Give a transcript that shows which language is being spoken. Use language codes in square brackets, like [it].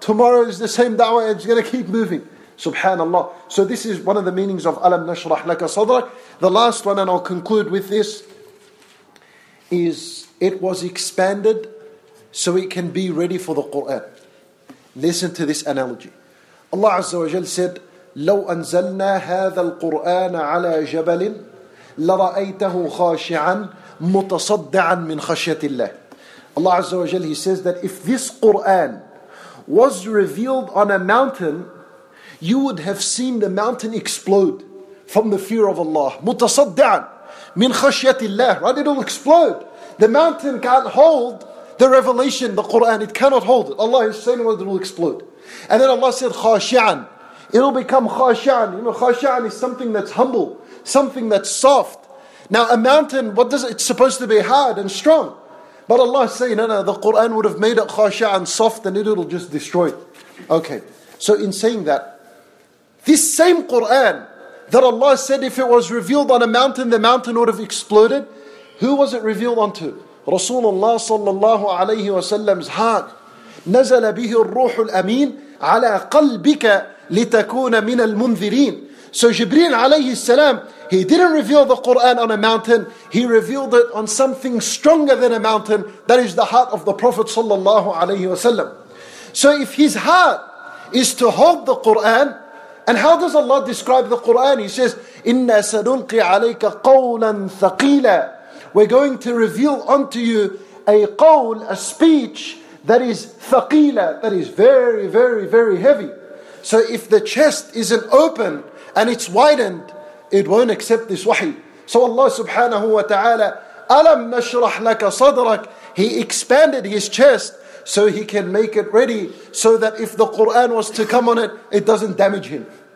[en] Tomorrow is the same da'wah and it's going to keep moving. Subhanallah. So this is one of the meanings of Alam Nashrah Laka Sadrak. The last one, and I'll conclude with this, is it was expanded so it can be ready for the Qur'an. Listen to this analogy. Allah Azza wa Jal said, [ar] لو أنزلنا هذا القرآن على جبل لرأيته خاشعا متصدعا من خشية الله. [en] Allah Azza wa Jal, he says that if this Qur'an was revealed on a mountain, you would have seen the mountain explode from the fear of Allah. [ar] متصدعا من خشية الله. [en] Right? It'll explode. The mountain can't hold the revelation, the Qur'an. It cannot hold it. Allah is saying it will explode. And then Allah said, khashi'an. It'll become khashi'an. You know, khashi'an is something that's humble, something that's soft. Now a mountain, what does it, it's supposed to be hard and strong. But Allah is saying, no, the Qur'an would have made it khashi'an, soft, and it'll just destroy it. Okay, so in saying that, this same Qur'an that Allah said, if it was revealed on a mountain, the mountain would have exploded. Who was it revealed onto? Rasulullah sallallahu alayhi wa sallam's heart. [ar] نزل به الروح الأمين على قلبك لتكون من المنذرين. [en] So Jibreel عليه السلام, he didn't reveal the Quran on a mountain, he revealed it on something stronger than a mountain, that is the heart of the Prophet صلى الله عليه وسلم. So if his heart is to hold the Quran, and how does Allah describe the Quran? He says, [ar] إنا سنلقي عليك قولا ثقيلا. [en] We're going to reveal unto you a قول, a speech that is thaqila, that is very, very, very heavy. So if the chest isn't open and it's widened, it won't accept this wahi. So Allah subhanahu wa ta'ala, alam nashrah laka sadrak, he expanded his chest so he can make it ready so that if the Quran was to come on it, it doesn't damage him.